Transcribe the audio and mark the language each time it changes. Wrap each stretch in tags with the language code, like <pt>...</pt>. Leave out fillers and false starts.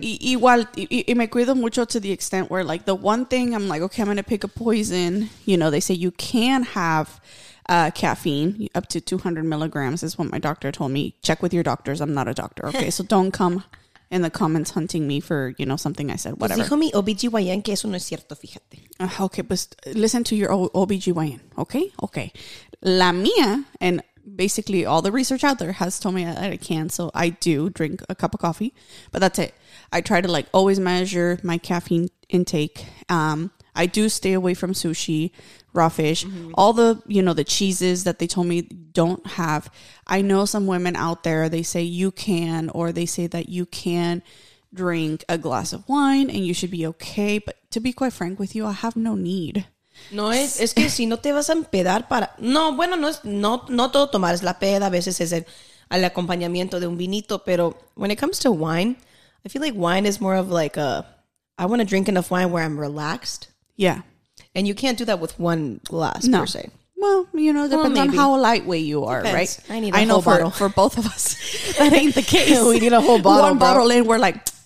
<es>Sí, igual, y me cuido mucho</es> <en>to the extent where like the one thing I'm like, okay, I'm going to pick a poison. You know, they say you can have caffeine up to 200 milligrams is what my doctor told me. Check with your doctors. I'm not a doctor. Okay. So don't come in the comments hunting me for, you know, something I said, whatever.</en> <es>Pues dijo mi OBGYN que eso no es cierto, fíjate.</es> <en>Okay. But listen to your OBGYN. Okay. Okay.</en> <es>La mía</es> <en>and basically all the research out there has told me that I can. So I do drink a cup of coffee, but that's it. I try to like always measure my caffeine intake. I do stay away from sushi, raw fish, all the, you know, the cheeses that they told me don't have. I know some women out there, they say you can, or they say that you can drink a glass of wine and you should be okay. But to be quite frank with you, I have no need.</en> <es>No, es que si no te vas a empedar para... No, bueno, no todo tomar es la peda. A veces es el acompañamiento de un vinito.</es> <en>Pero when it comes to wine, I feel like wine is more of like a... I want to drink enough wine where I'm relaxed. Yeah. And you can't do that with one glass, no, per se. Well, you know, depends on how lightweight you are, depends, right? I need a whole bottle. For both of us, that ain't the case. We need a whole bottle. One bottle in, we're like,</en>